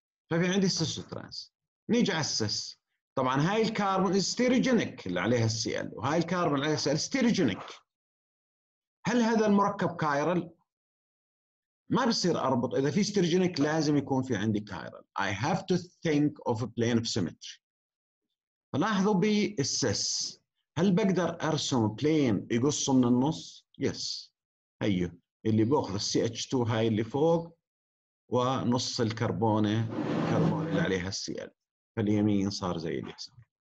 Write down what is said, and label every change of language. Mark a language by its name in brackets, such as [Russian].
[Arabic] ففي عندي cis وترانس. نيجي على السس. طبعا هاي الكربون استيروجينيك اللي عليها السي ال، وهاي الكربون عليها السي ال استيروجينيك. هل هذا المركب كايرال؟ ما بصير اربط. اذا في استيروجينيك لازم يكون في عندي كايرال. [English] I have to think of a plane of symmetry. [Arabic] فلاحظوا بالسس، هل بقدر ارسم بلين يقصه من النص؟ يس. هيو اللي باخذ السي اتش 2 هاي اللي فوق ونص الكربون اللي عليها السي ال، فاليمين صار زي اليسار.